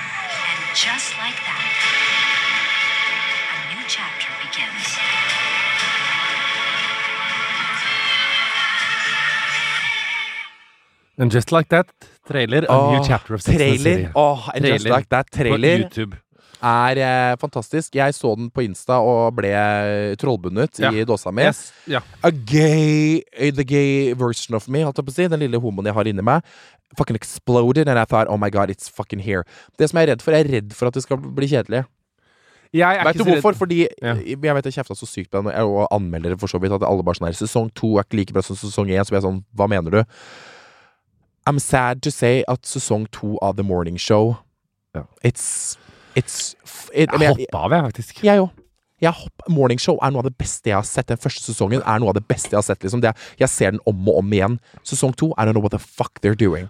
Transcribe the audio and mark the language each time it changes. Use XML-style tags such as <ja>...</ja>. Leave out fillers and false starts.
<en>And just like that, a new chapter begins. And just like that, trailer, a new chapter of trailer. And trailer. Just like that, trailer.</en> <no>På YouTube. Fantastisk. Jeg så den på Insta og ble trollbundet i dåsa mi.</no> <en>Yes. A gay, the gay version of me,</en> <no>holdt jeg på å si, den lille homoen jeg har inni meg.</no> <en>Fucking exploded, and I thought, oh my god, it's fucking here.</en> <no>Det som jeg er redd for at det skal bli kjedelig. Jeg er vet ikke du hvorfor? Fordi, jeg vet, jeg kjeftet så sykt på den, og anmelder det for så vidt, at alle bare sånn her, sesong 2 er ikke like bra som sesong 1, så jeg sånn, hva mener du?</no> <en>I'm sad to say</en> <no>at sesong 2 av</no> <en>The Morning Show,</en> <no>jeg hoppet av, jeg faktisk. Jeg hoppet. Morning Show er noe av det beste jeg har sett. Den første sesongen er noe av det beste jeg har sett. Liksom. Jeg ser den om og om igjen.</no> <en>Sesong 2, I don't know what the fuck they're doing.</en>